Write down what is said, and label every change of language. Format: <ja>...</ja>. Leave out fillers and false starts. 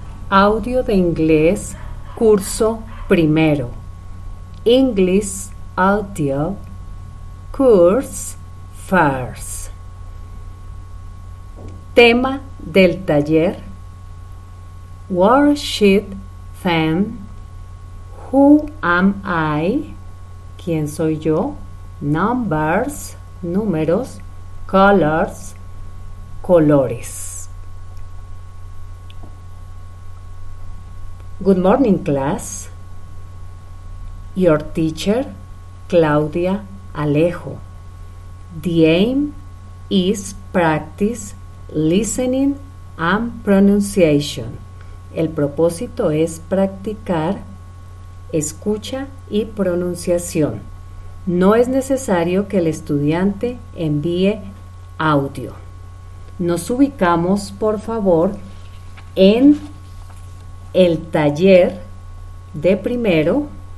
<es>Audio de inglés, curso primero.</es> <en>English audio, course first.</en> <es>Tema del taller. Worksheet 10.</es> <en>Who am I?</en> <es>¿Quién soy yo?</es> <en>Numbers,</en> <es>números.</es> <en>Colors,</en> <es>colores.</es> <en>Good morning, class. Your teacher, Claudia Alejo. The aim is practice listening and pronunciation.</en> <es>El propósito es practicar escucha y pronunciación. No es necesario que el estudiante envíe audio. Nos ubicamos, por favor, en el taller de primero.</es>